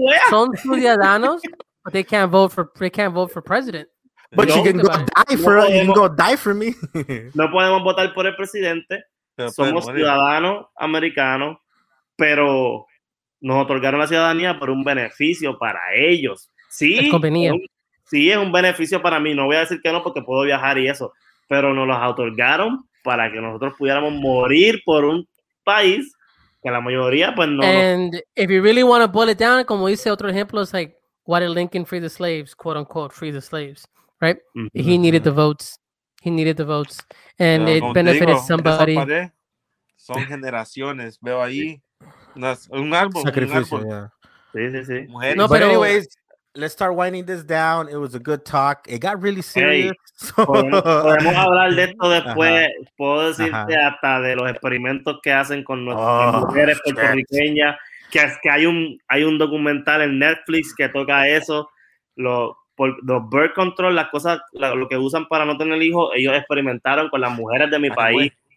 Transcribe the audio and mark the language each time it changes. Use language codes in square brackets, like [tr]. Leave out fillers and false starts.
[es] Son ciudadanos, [en] but they can't vote for president. But you can go die for us. You can go die for me. [es] No podemos votar por el presidente. Somos ciudadanos americanos, pero nos otorgaron la ciudadanía por un beneficio para ellos. Sí, es un beneficio para mí. No voy a decir que no porque puedo viajar y eso, pero nos los otorgaron para que nosotros pudiéramos morir por un país que la mayoría, pues no. And if you really want to boil it down, como dice otro ejemplo, es like, why did Lincoln free the slaves, quote unquote, free the slaves? [en] Right, he needed the votes. He needed the votes, and it benefited somebody. [es] Son generaciones, veo ahí, un árbol, sacrificio. Un árbol. [en] Yeah. [es] Sí. Mujeres. [en] No, but anyways, let's start winding this down. It was a good talk. It got really serious. [es] Hey, podemos hablar de esto después. Uh-huh. Puedo decirte hasta de los experimentos que hacen con nuestras mujeres puertorriqueñas. Que es que hay un documental en Netflix que toca eso. Por los birth control, las cosas, lo que usan para no tener hijos, ellos experimentaron con las mujeres de mi país.